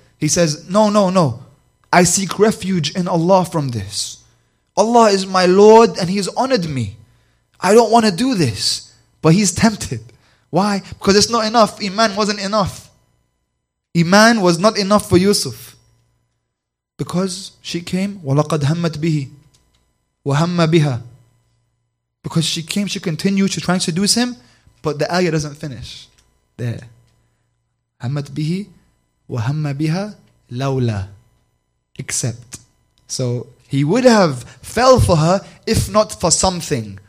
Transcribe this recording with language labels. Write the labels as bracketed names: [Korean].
[English] He says, no. I seek refuge in Allah from this. Allah is my Lord and He has honored me. I don't want to do this. But he's tempted. Why? Because it's not enough. Iman wasn't enough. Iman was not enough for Yusuf. Because she came, [Arabic] وَلَقَدْ هَمَّتْ بِهِ وَهَمَّ بِهَا. [English] Because she came, she continued, she's trying to seduce him. But the ayah doesn't finish there. [Arabic] هَمَّتْ بِهِ وَهَمَّ بِهَا لَوْلَا. [English] Except. So he would have fell for her if not for something.